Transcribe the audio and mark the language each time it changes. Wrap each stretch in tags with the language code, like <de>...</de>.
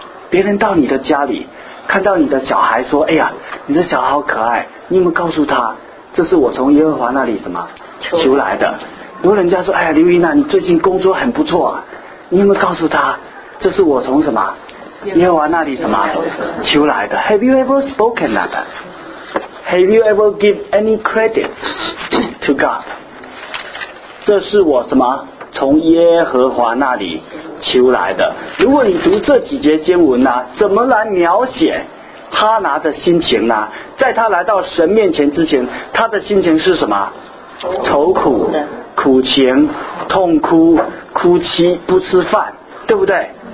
<zh>别人到你的家里看到你的小孩说，哎呀你的小孩好可爱，你有没有告诉他这是我从耶和华那里什么求来的？如果人家说，哎呀刘云娜你最近工作很不错，你有没有告诉他这是我从什么耶和华那里什么求来的？</zh> <en>Have you ever spoken like that? Have you ever give any credit to God?</en> <zh>这是我什么从耶和华那里求来的。如果你读这几节经文呢、啊，怎么来描写哈拿的心情呢？在他来到神面前之前，他的心情是什么？愁苦、苦情、痛哭、哭泣、不吃饭，对不对？</zh>